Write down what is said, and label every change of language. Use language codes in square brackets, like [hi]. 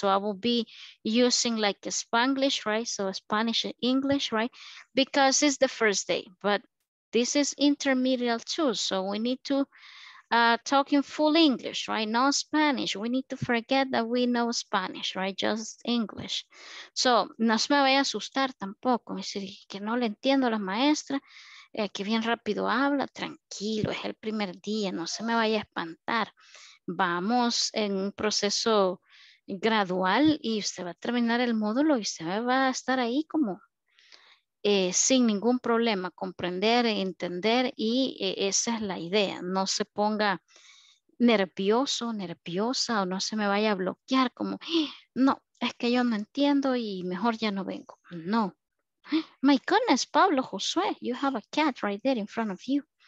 [en] So I will be using like Spanglish, right? So Spanish and English, right? Because it's the first day, but this is intermediate too. So we need to talk in full English, right? No Spanish. We need to forget that we know Spanish, right? Just English. [es] So no se me vaya a asustar tampoco. Es decir, que no le entiendo a la maestra. Que bien rápido habla, tranquilo, es el primer día, no se me vaya a espantar. Vamos en un proceso gradual y usted va a terminar el módulo y usted va a estar ahí como sin ningún problema, comprender, entender y esa es la idea. No se ponga nervioso, nerviosa o no se me vaya a bloquear como, no, es que yo no entiendo y mejor ya no vengo. No. [en] My goodness, Pablo Josué, you have a cat right there in front of you.